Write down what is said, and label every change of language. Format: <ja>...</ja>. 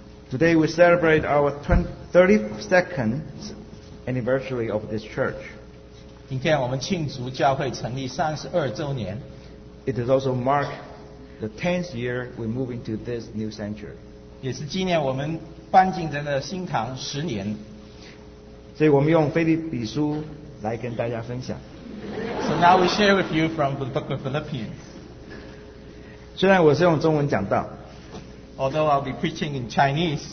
<en>Today we celebrate our 32nd anniversary of this church.</en> <zh>今天我们庆祝教会成立32周年。</zh> <en>It is also mark the 10th year we move into this new sanctuary.</en> <zh>也是纪念我们搬进这个新堂10年。所以我们用腓立比书来跟大家分享。</zh> <en>So now we share with you from the book of Philippians.</en> <zh>虽然我是用中文讲道。</zh> <en>Although I'll be preaching in Chinese.</en>